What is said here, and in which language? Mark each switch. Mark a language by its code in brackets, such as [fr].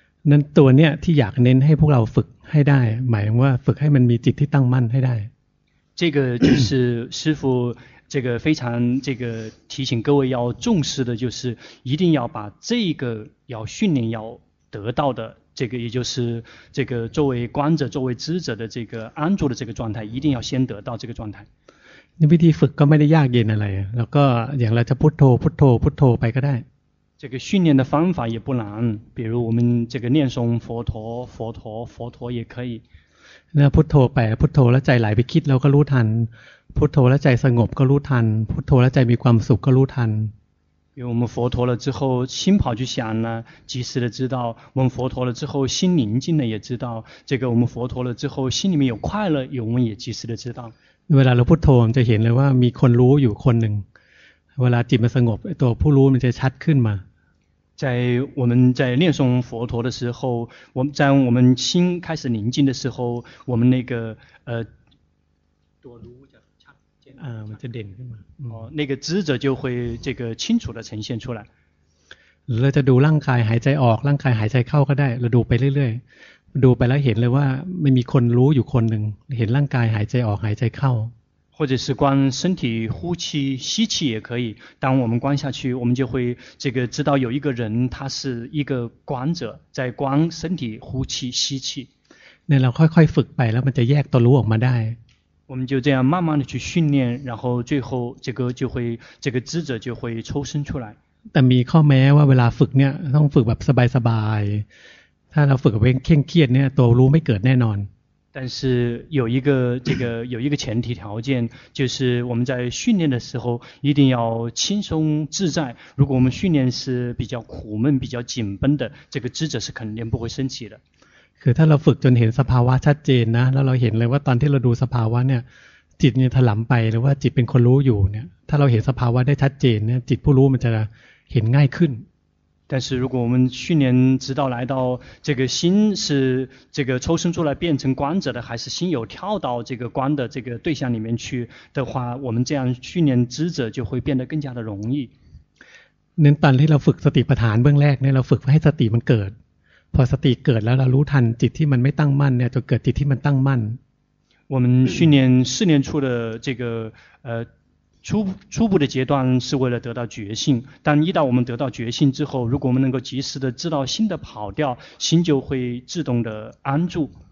[th] นั้นตัวเนี้ยที่อยากเน้นให้พวกเราฝึกให้ได้หมายว่าฝึกให้มันมีจิตที่ตั้งมั่นให้ได้ [zh] 这个就是师父这个非常这个提醒各位要重视的就是一定要把这个要训练要得到的这个也就是这个作为观者作为知者的这个安住的这个状态一定要先得到这个状态 [th] 那วิธีฝึกก็ไม่ได้ยากเย็นอะไรแล้วก็อย่างเราจะพุทโธพุทโธพุทโธไปก็ได้ [zh] 这个训练的方法也不难比如我们这个念诵佛陀佛陀佛陀也可以 [th] เนี่ยพุทโธไปพุทโธแล้วใจไหลไปคิดเราก็รู้ทันพุทโธแล้วใจสงบก็รู้ทันพุทโธแล้วใจมีความสุขก็รู้ทัน เราเมื่อ [zh] 佛陀了之后心跑去想呢及时的知道我们佛陀了之后心宁静了也知道这个我们佛陀了之后心里面有快乐有我们也及时的知道 [th] เวลาเราพุทโธจะเห็นเลยว่ามีคนรู้อยู่คนนึงเวลาจิตมันสงบตัวผู้รู้มันจะชัดขึ้นมา [zh] 在我们在念诵佛陀的时候我们在我们心开始宁静的时候我们那个 [th] มันจะเด่นขึ้นมา [zh] อ๋อ那个知者就会这个清楚的呈现出来 [th] เราจะดูร่างกายหายใจออกร่างกายหายใจเข้าก็ได้เราดูไปเรื่อยๆดูไปแล้วเห็นเลยว่าไม่มีคนรู้อยู่คนนึงเห็นร่างกายหายใจออกหายใจเข้า [zh] 或者是观身体呼气吸气也可以当我们观下去我们就会这个知道有一个人他是一个观者在观身体呼气吸气 [th] 那เราค่อยๆฝึกไปแล้วมันจะแยกตัวรู้ออกมาได้ [zh] 我们就这样慢慢的去训练然后最后这个就会这个知者就会抽身出来 [th] 但มีข้อแม้ว่าเวลาฝึกเนี่ยต้องฝึกแบบสบายๆถ้าเราฝึกแบบเคร่งเครียดเนี่ยตัวรู้ไม่เกิดแน่นอน [zh] 但是有一个这个有一个前提条件就是我们在训练的时候一定要轻松自在如果我们训练是比较苦闷比较紧绷的这个知者是肯定不会升起的 [th] คือถ้าเราฝึกจนเห็นสภาวะชัดเจนนะแล้วเราเห็นเลยว่าตอนที่เราดูสภาวะเนี่ยจิตเนี่ยถลำไปหรือว่าจิตเป็นคนรู้อยู่เนี่ยถ้าเราเห็นสภาวะได้ชัดเจนเนี่ยจิตผู้รู้มันจะเห็นง่ายขึ้น [zh] 但是如果我们训练直到来到这个心是这个抽身出来变成观者的还是心有跳到这个观的这个对象里面去的话我们这样训练知者就会变得更加的容易 [th] เน้นตอนที่เราฝึกสติปัฏฐานเบื้องแรกเนี่ยเราฝึกให้สติมันเกิดพอสติเกิดแล้วเรารู้ทันจิตที่มันไม่ตั้งมั่นเนี่ยจะเกิดจิตที่มันตั้งมั่น [zh] 我们训练四念处的这个初步的阶段是为了得到觉性但一旦我们得到觉性之后如果我们能够及时的知道心的跑掉心就会自动的安住